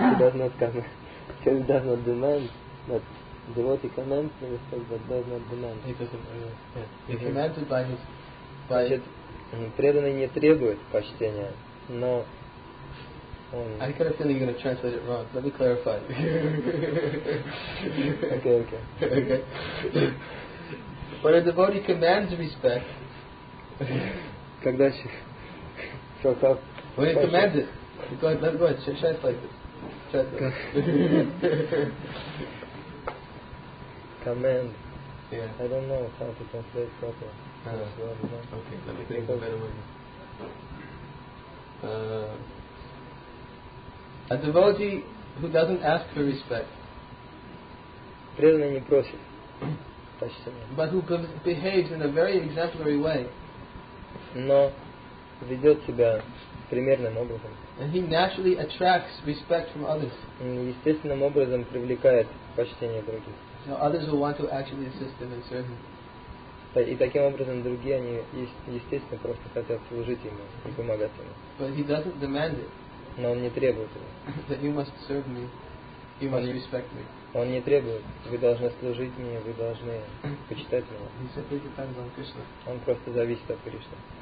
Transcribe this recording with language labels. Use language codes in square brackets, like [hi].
[en] He does not demand, but devotee commands the respect, but does not demand. He doesn't. Yeah. He commands it by his. By. [ru] Значит, преданный не требует почтения, но. [en] I got a feeling you're going to translate it wrong. Let me clarify. Okay. When a devotee commands respect, [ru] когда [en] she shows up, when he commands it, go ahead, translate it. Command. Yeah. I don't know how to translate it properly. Okay, let me think of a better way. A devotee who doesn't ask for respect, [ru] преданный не просит почтения, [en] but who behaves in a very exemplary way, [ru] но ведет себя примерным образом, [en] and he naturally attracts respect from others, [ru] естественным образом привлекает почтение других. [en] So others will want to actually assist him and serve him. [ru] И таким образом другие, они естественно просто хотят служить ему и помогать ему. [en] But he doesn't demand it. [ru] Но он не требует этого. [en] That you must serve me, you must respect me. [ru] Он не требует. Вы должны служить мне, вы должны почитать меня. [en] He simply depends on Krishna. [ru] Он просто зависит от Кришны.